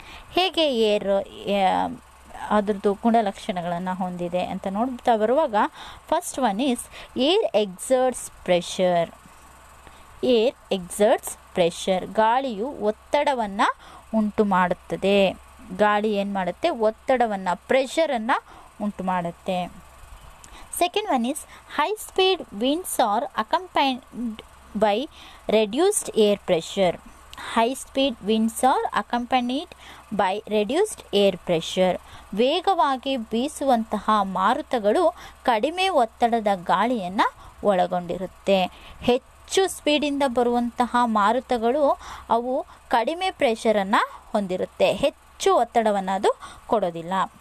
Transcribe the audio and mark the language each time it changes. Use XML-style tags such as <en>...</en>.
<kn>ಹೇಗೆ ಏರ್ ಅದರದ್ದು ಗುಣಲಕ್ಷಣಗಳನ್ನು ಹೊಂದಿದೆ ಅಂತ ನೋಡ್ತಾ ಬರುವಾಗ,</kn> <en>First one is air exerts pressure. Air exerts pressure,</en> <kn>ಗಾಳಿಯು ಒತ್ತಡವನ್ನು ಉಂಟು ಮಾಡುತ್ತದೆ. ಗಾಳಿ ಏನು ಮಾಡುತ್ತೆ? ಒತ್ತಡವನ್ನು, ಪ್ರೆಷರನ್ನು ಉಂಟು ಮಾಡುತ್ತೆ.</kn> <en>Second one is high speed winds are accompanied by reduced air pressure. High speed winds are accompanied by reduced air pressure.</en> <kn>ವೇಗವಾಗಿ ಬೀಸುವಂತಹ ಮಾರುತಗಳು ಕಡಿಮೆ ಒತ್ತಡದ ಗಾಳಿಯನ್ನು ಒಳಗೊಂಡಿರುತ್ತೆ. ಹೆಚ್ಚು ಸ್ಪೀಡಿಂದ ಬರುವಂತಹ ಮಾರುತಗಳು ಅವು ಕಡಿಮೆ ಪ್ರೆಷರನ್ನು ಹೊಂದಿರುತ್ತೆ, ಹೆಚ್ಚು ಒತ್ತಡವನ್ನು ಅದು ಕೊಡೋದಿಲ್ಲ.</kn>